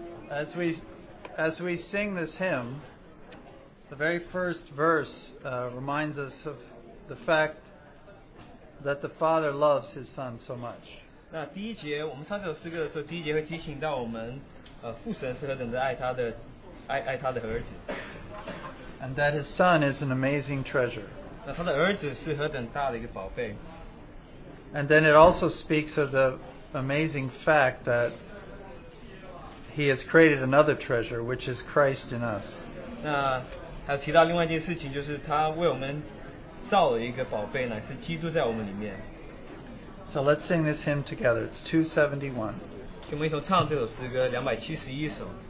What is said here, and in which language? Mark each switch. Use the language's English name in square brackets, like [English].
[English] As we sing this hymn, the very first verse reminds us of the fact that the Father loves His Son so much. [Chinese] 那第一节我们唱这首诗歌的时候，第一节会提醒到我们，父神是何等的爱他的，爱他的儿子。 [English] And that His Son is an amazing treasure. [Chinese] 那他的儿子是何等大的一个宝贝。 [English] And then it also speaks of the amazing fact that He has created another treasure, which is Christ in us. [Chinese] 那还提到另外一件事情，就是他为我们造了一个宝贝呢，是基督在我们里面。 [English] So let's sing this hymn together. It's 271. [Chinese] 我们一同唱这首诗歌271首。